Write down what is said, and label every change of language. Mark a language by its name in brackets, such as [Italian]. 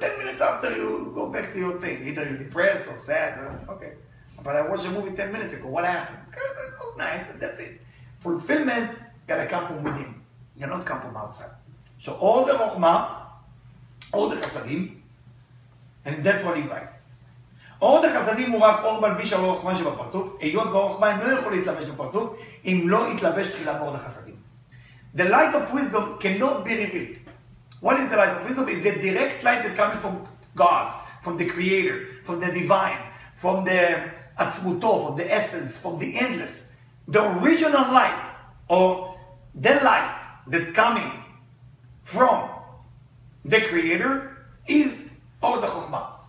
[English] 10 minutes after, you go back to your thing. Either you're depressed or sad. Or, okay, but I watched a movie 10 minutes ago. What happened? It was nice, and that's it. Fulfillment gotta come from within. You don't come from outside. So all the Chokhmah, all the Chassadim. And that's what he write. [Hebrew] אור דחסדים הוא רק אור מלביש על אור החוכמה שבפרצוף, היות ואור החוכמה אינו יכול להתלבש בפרצוף, אם לא יתלבש תחילה באור דחסדים. [English] The light of wisdom cannot be revealed. What is the light of wisdom? It's a direct light that comes from God, from the Creator, from the Divine, from the Atzmuto, from the Essence, from the Endless. The original light, or the light that coming from the Creator, is Or the Chokmah.